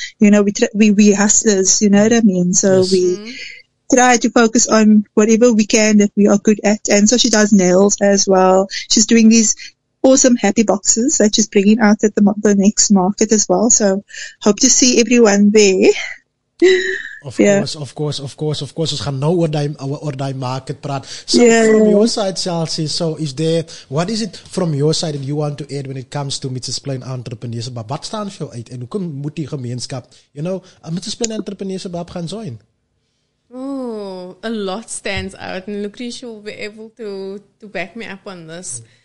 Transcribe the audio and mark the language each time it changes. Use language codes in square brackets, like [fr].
[en] You know, we hustlers, you know what I mean? So yes. We try to focus on whatever we can that we are good at. And so she does nails as well. She's doing these awesome happy boxes that she's bringing out at the next market as well. So hope to see everyone there. Of course. [af] Ons gaan nou oor die market praat. [en] So, from your side, Chelsea, so is there, what is it from your side that you want to add when it comes to Mitchell's Plain Entrepreneurship? [af] Wat staan vir jou uit? En hoe moet die gemeenskap, you know, Mitchell's Plain Entrepreneurship gaan join? [en] Oh, a lot stands out. And Lucrecia will be able to back me up on this.